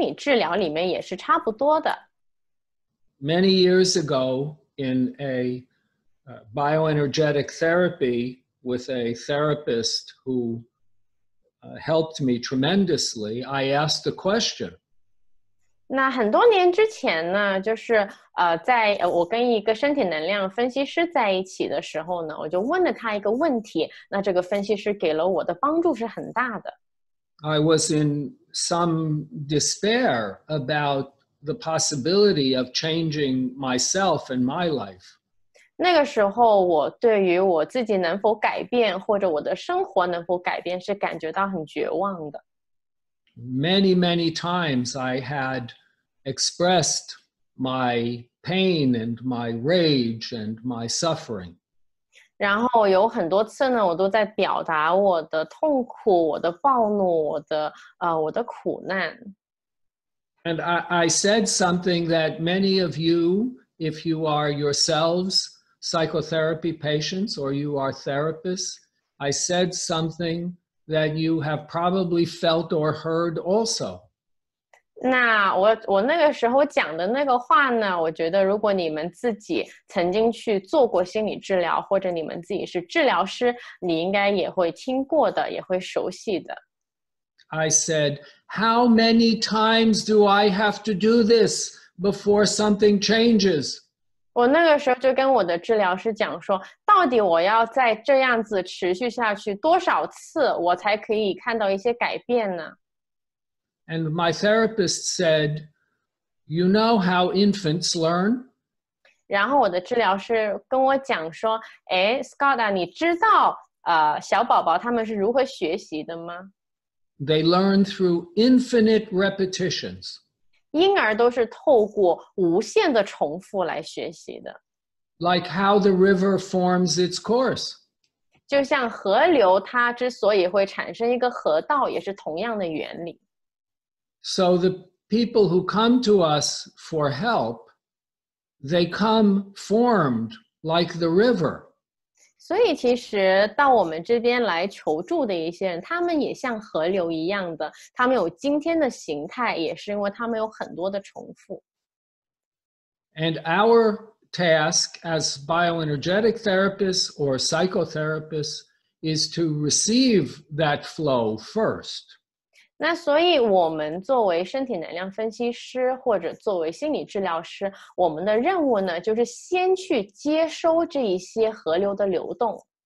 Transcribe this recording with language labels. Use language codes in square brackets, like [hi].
[zh] 那在心理治疗里面也是差不多的。 [en] Many years ago in a bioenergetic therapy with a therapist who helped me tremendously, I asked a question. [zh] 那很多年之前呢, 就是, 在, 我跟一个身体能量分析师在一起的时候呢, 我就问了他一个问题, 那这个分析师给了我的帮助是很大的。 [en] I was in some despair about the possibility of changing myself and my life. [zh] 那个时候我对于我自己能否改变或者我的生活能否改变是感觉到很绝望的。 [en] Many, many times I had expressed my pain and my rage and my suffering. [zh] 然后有很多次呢, 我都在表达我的痛苦, 我的暴怒, 我的苦难。 [en] And I said something that many of you, if you are yourselves psychotherapy patients or you are therapists, I said something that you have probably felt or heard also. [zh] 那我那个时候讲的那个话呢，我觉得如果你们自己曾经去做过心理治疗，或者你们自己是治疗师，你应该也会听过的，也会熟悉的。 [en] I said, how many times do I have to do this before something changes? [zh] 我那个时候就跟我的治疗师讲说，到底我要再这样子持续下去多少次，我才可以看到一些改变呢？ [en] And my therapist said, you know how infants learn? [zh] 然后我的治疗师跟我讲说，诶，Scott啊，你知道小宝宝他们是如何学习的吗？ [en] They learn through infinite repetitions. [zh] 婴儿都是透过无限的重复来学习的。 [en] Like how the river forms its course. [zh] 就像河流它之所以会产生一个河道，也是同样的原理。 [en] So the people who come to us for help, they come formed like the river. [zh] 所以其实到我们这边来求助的一些人，他们也像河流一样的，他们有今天的形态，也是因为他们有很多的重复。 [en] And our task as bioenergetic therapists or psychotherapists is to receive that flow first. [zh] 那所以我们作为身体能量分析师或者作为心理治疗师，我们的任务呢，就是先去接收这一些河流的流动。